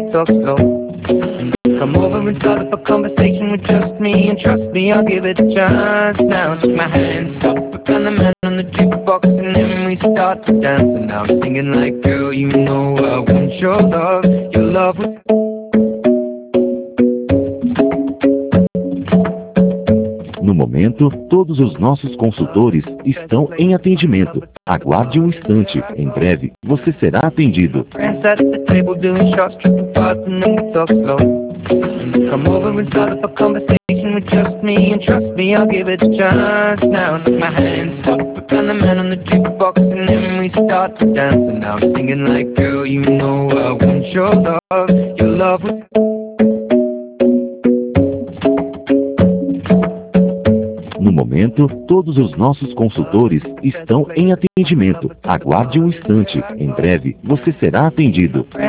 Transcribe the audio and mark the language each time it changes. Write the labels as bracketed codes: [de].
[en] Come over and start up a conversation with just me, and trust me, I'll give it a chance. Now I'll take my hand, stop, and the man on the jukebox, and then we start to dance. And now I'm singing like, girl, you know I want your love was. [pt] No momento, todos os nossos consultores estão em atendimento. Aguarde um instante, em breve, você será atendido. [en] Come over and start up a conversation with just me, and trust me, I'll give it a chance. Now I'll take my hands off, and the man on the jukebox, and then we start to dance. And now I'm singing like, girl, you know I want your love was. [pt] No momento, todos os nossos consultores estão em atendimento. Aguarde um instante, em breve, você será atendido.